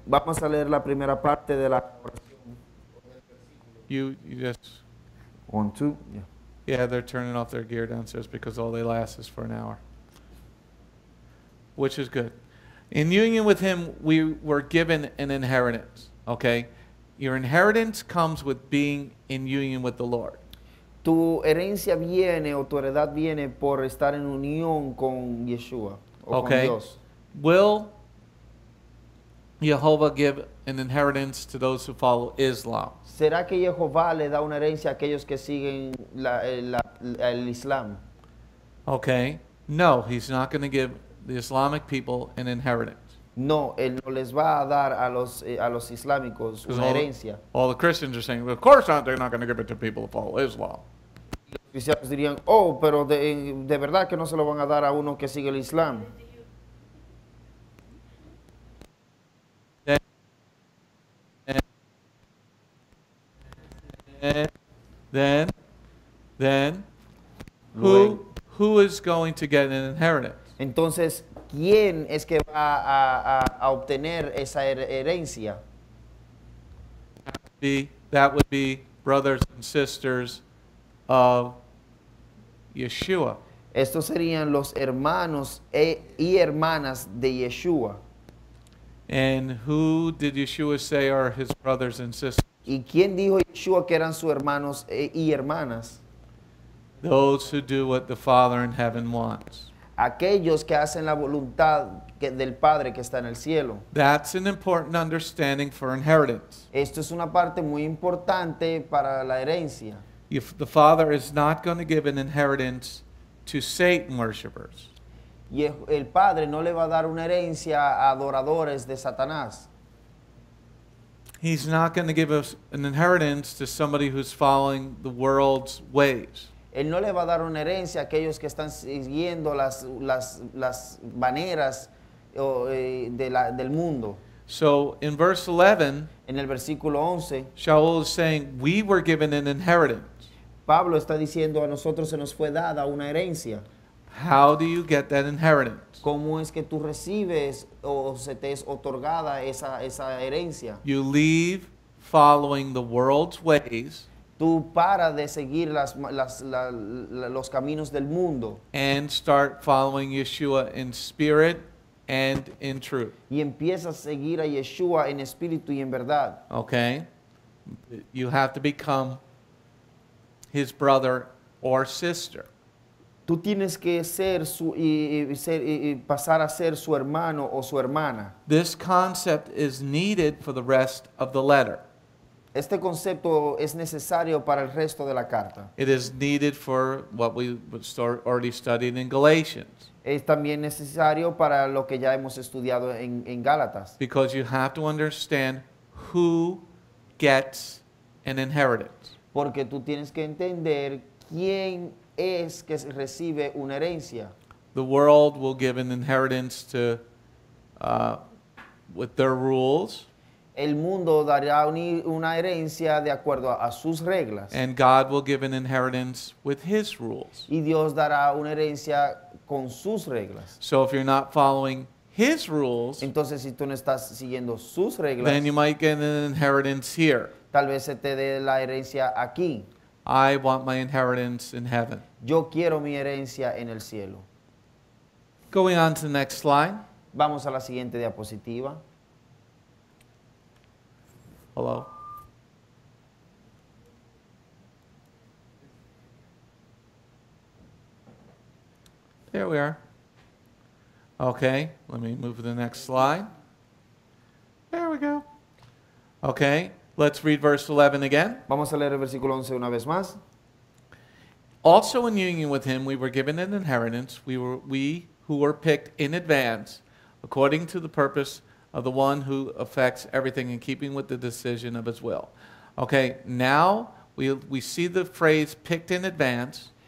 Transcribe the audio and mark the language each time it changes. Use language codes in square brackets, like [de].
[es] Vamos a leer la primera parte de la oración. [en] You just... One, two, yeah. Yeah, they're turning off their gear downstairs because all they last is for an hour. Which is good. In union with him, we were given an inheritance, okay? Your inheritance comes with being in union with the Lord. [es] Tu herencia viene o tu heredad viene por estar en unión con Yeshua. [en] Okay. Will Yehovah give an inheritance to those who follow Islam? [es] ¿Será que Yehovah le da una herencia a aquellos que siguen el Islam? [en] Okay. No, he's not going to give the Islamic people an inheritance. [es] No, él no les va a dar a los islámicos una herencia. [en] All the Christians are saying, well, of course not, they're not going to give it to people who follow Islam. [es] Los cristianos dirían, oh, pero de verdad que no se lo van a dar a uno que sigue el Islam. [en] Then, who is going to get an inheritance? [es] Entonces, ¿quién es que va a obtener esa herencia? [en] That would be brothers and sisters of Yeshua. [es] Estos serían los hermanos y hermanas de Yeshua. [en] And who did Yeshua say are his brothers and sisters? [es] ¿Y quién dijo Yeshua que eran sus hermanos y hermanas? [en] Those who do what the Father in heaven wants. [es] aquellos que hacen la voluntad del Padre que está en el cielo. [en] That's an important understanding for inheritance. [es] Esto es una parte muy importante para la herencia. [en] If the Father is not going to give an inheritance to Satan worshipers. [es] Y el Padre no le va a dar una herencia a adoradores de Satanás. [en] He's not going to give us an inheritance to somebody who's following the world's ways. [es] Él no le va a dar una herencia a aquellos que están siguiendo las maneras del mundo. [en] So in verse 11, [es] en el versículo 11, [en] Sha’ul is saying, we were given an inheritance. [es] Pablo está diciendo, a nosotros se nos fue dada una herencia. [en] How do you get that inheritance? [es] ¿Cómo es que tú recibes o se te es otorgada esa herencia? [en] You leave following the world's ways. [es] Tú para de seguir los caminos del mundo. [en] And start following Yeshua in spirit and in truth. [es] Y empiezas a seguir a Yeshua en espíritu y en verdad. [en] Okay. You have to become his brother or sister. [es] Tú tienes que ser su y pasar a ser su hermano o su hermana. [en] This concept is needed for the rest of the letter. [es] Este concepto es necesario para el resto de la carta. [en] It is needed for what we already studied in Galatians. [es] Es también necesario para lo que ya hemos estudiado en Gálatas. [en] Because you have to understand who gets an inheritance. [es] Porque tú tienes que entender quién es que recibe una herencia. [en] The world will give an inheritance to with their rules. [es] El mundo dará una herencia de acuerdo a sus reglas. [en] And God will give an inheritance with his rules. [es] Y Dios dará una herencia con sus reglas. [en] So if you're not following his rules, [es] entonces si tú no estás siguiendo sus reglas, [en] then you might get an inheritance here. [es] Tal vez se te dé la herencia aquí. [en] I want my inheritance in heaven. [es] Yo quiero mi herencia en el cielo. [en] Going on to the next slide. [es] Vamos a la siguiente diapositiva. [en] Hello. There we are. Okay, let me move to the next slide. There we go. Okay, let's read verse 11 again. [es] Vamos a leer el versículo 11 una vez más. [en] Also in union with him, we were given an inheritance. We who were picked in advance, according to the purpose of the one who affects everything in keeping with the decision of his will. Okay, now we see the phrase picked in advance.